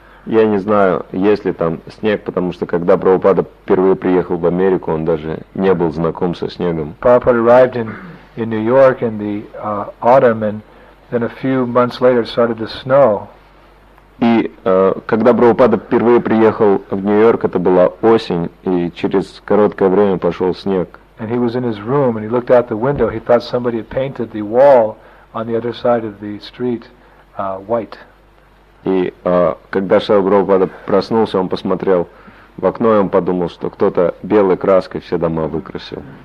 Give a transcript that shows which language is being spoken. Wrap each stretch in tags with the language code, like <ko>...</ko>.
<ru>Я не знаю, есть ли там снег, потому что когда Прабхупада впервые приехал в Америку, он даже не был знаком со снегом.</ru> <en>Prabhupada arrived in New York in the autumn, and Then a few months later, it started to snow.</en> <ru>И когда Прабхупада впервые приехал в Нью-Йорк, это была осень, и через короткое время пошел снег.</ru> <en>And he was in his room, and he looked out the window. He thought somebody had painted the wall on the other side of the street white.</en> <ru>И когда Шрила Прабхупада проснулся, он посмотрел в окно, и он подумал, что кто-то белой краской все дома выкрасил.</ru>